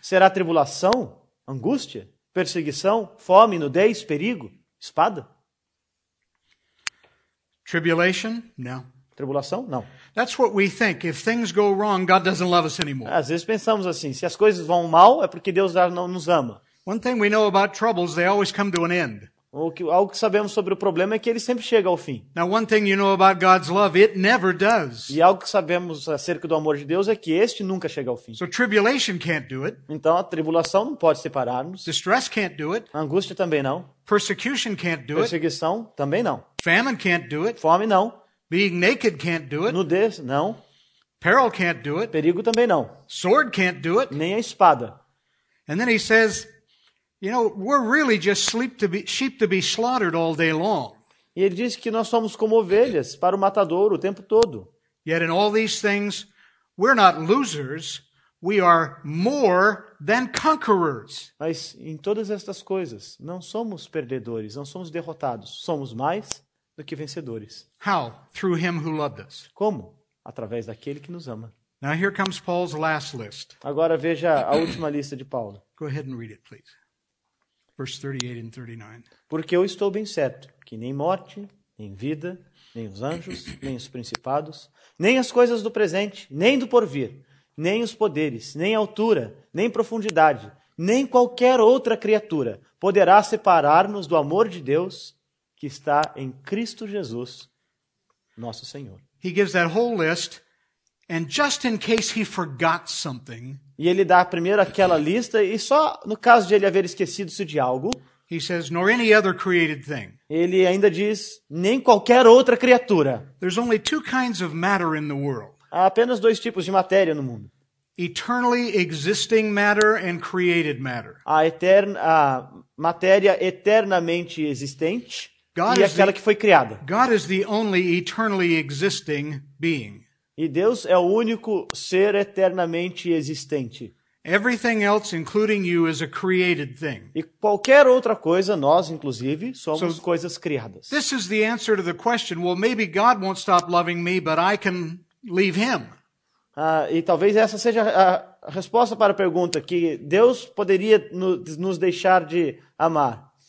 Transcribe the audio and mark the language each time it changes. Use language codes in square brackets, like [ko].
[pt] Será tribulação, angústia, perseguição, fome, nudez, perigo, espada? [en] Tribulation? No. [pt] Tribulação? Não. [en] That's what we think. If things go wrong, God doesn't love us anymore. [pt] Às vezes pensamos assim, se as coisas vão mal, é porque Deus já não nos ama. [en] One thing we know about troubles, they always come to an end. [pt] Algo que sabemos sobre o problema é que ele sempre chega ao fim. [en] Now, one thing you know about God's love, it never does. [pt] E algo que sabemos acerca do amor de Deus é que este nunca chega ao fim. [en] So, tribulation can't do it. [pt] Então, a tribulação não pode separar-nos. [en] Distress can't do it. [pt] A angústia também não. [en] Persecution can't do [pt] it. Perseguição também não. [en] Famine can't do it. [pt] Fome não. [en] Being naked can't do it. [pt] Nudez não. [en] Peril can't do it. [pt] Perigo também não. [en] Sword can't do it. [pt] Nem a espada. [en] And then he says, you know, we're really just sheep to be slaughtered all day long. [pt] E ele diz que nós somos como ovelhas para o matadouro o tempo todo. [en] Yet in all these things, we're not losers. We are more than conquerors. [pt] Mas em todas estas coisas, não somos perdedores, não somos derrotados. Somos mais do que vencedores. [en] How? Through him who loved us. [pt] Como? Através daquele que nos ama. [en] Now here comes Paul's last list. [pt] Agora veja a última lista de Paulo. [en] Go ahead and read it, please. Verse 38 and 39. [pt] Porque eu estou bem certo que nem morte, nem vida, nem os anjos, nem os principados, nem as coisas do presente, nem do porvir, nem os poderes, nem altura, nem profundidade, nem qualquer outra criatura poderá separar-nos do amor de Deus que está em Cristo Jesus, nosso Senhor. [en] He gives that whole list, and just in case he forgot something. [pt] E ele dá primeiro aquela lista, e só no caso de ele haver esquecido-se de algo, [en] he says, nor any other created thing. [pt] Ele ainda diz, nem qualquer outra criatura. [en] There's only two kinds of matter in the world. [pt] Há apenas dois tipos de matéria no mundo. [en] Eternally existing matter and created matter. [pt] A matéria eternamente existente God e aquela que foi criada. [en] God is the only eternally existing being. [pt] E Deus é o único ser eternamente existente. [en] Everything else, including you, is a created thing. [pt] E qualquer outra coisa, nós, inclusive, somos so, coisas criadas. [en] This is the answer to the question. Well, maybe God won't stop loving me, but I can leave him. [pt] E talvez essa seja a resposta para a pergunta que Deus poderia nos deixar de amar.